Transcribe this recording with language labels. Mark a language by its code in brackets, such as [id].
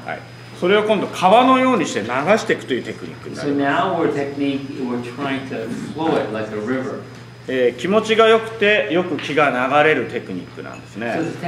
[ja] はい、それを今度川のようにして流していくというテクニックになります。 [en] So now our technique, we're trying to flow it like a river. [ja] 気持ちが良くてよく気が流れるテクニックなんですね。